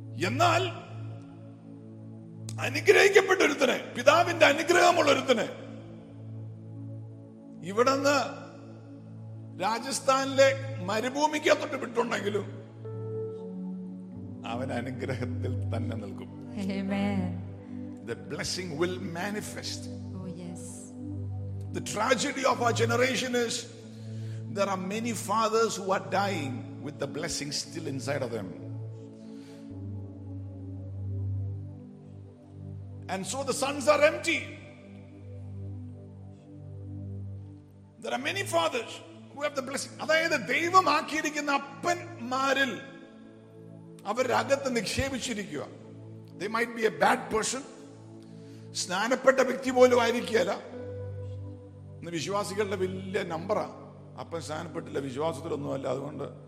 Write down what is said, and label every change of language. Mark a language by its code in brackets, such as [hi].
[ml] Ennal അനുഗ്രഹിക്കപ്പെട്ട ഒരുത്തനെ, പിതാവിന്റെ അനുഗ്രഹമുള്ള ഒരുത്തനെ ഇവിടുന്ന് രാജസ്ഥാനിലെ മരുഭൂമിക്ക് അത്തൊട്ട് വിട്ടുണ്ടെങ്കിലും അവൻ അനുഗ്രഹത്തിൽ തന്നെ നിൽക്കും. [en] Amen. The blessing will manifest. Oh yes. The tragedy of our generation is there are many fathers who are dying with the blessing still inside of them. And so the sons are empty. There are many fathers who have the blessing. [ml] അതായത് ദൈവം ആക്കിയിരിക്കുന്ന അപ്പന്മാരിൽ അവരകത്ത് നിക്ഷേപിച്ചിരിക്കുക. [en] They might be a bad person. [ml] സ്നാനപ്പെട്ട വ്യക്തി പോലും ആയിരിക്കുകയല്ല. വിശ്വാസികളുടെ വലിയ നമ്പറാണ്. അപ്പൻ സ്നാനപ്പെട്ടില്ല, വിശ്വാസത്തിലൊന്നുമല്ല, അതുകൊണ്ട്